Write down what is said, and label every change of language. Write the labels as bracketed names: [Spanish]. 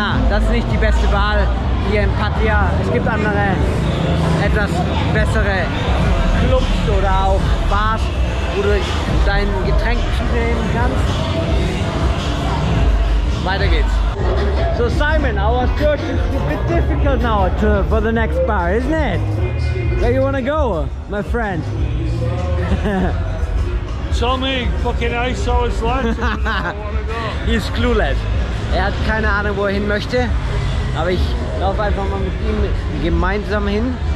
[German] Das ist nicht die beste Wahl hier in Pattaya. Es gibt andere, etwas bessere Clubs oder auch Bars, wo du dein Getränk zunehmen kannst. Weiter geht's. [English] So Simon, our search is a bit difficult now for the next bar, isn't it? Where you wanna go, my friend? Tommy, fucking ISO is left. He's clueless. [German] Er hat keine Ahnung, wo er hin möchte, aber ich laufe einfach mal mit ihm gemeinsam hin.